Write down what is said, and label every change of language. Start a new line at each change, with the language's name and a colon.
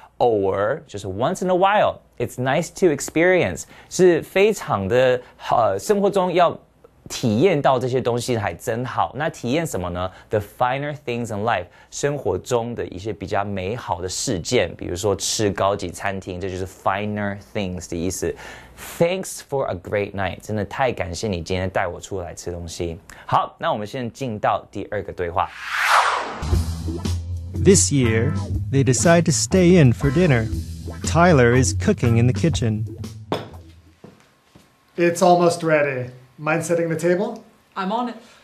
English: Or just once in a while, it's nice to experience.
Chinese: 是非常的生活中要体验到这些东西还真好。那体验什么呢 ？
English: The finer things in life,
Chinese: 生活中的一些比较美好的事件，比如说吃高级餐厅，这就是 finer things 的意思。
English: Thanks for a great night.
Chinese: 真的太感谢你今天带我出来吃东西。好，那我们现在进到第二个对话。
English: This year, they decide to stay in for dinner. Tyler is cooking in the kitchen. It's almost ready. Mind setting the table? I'm on it.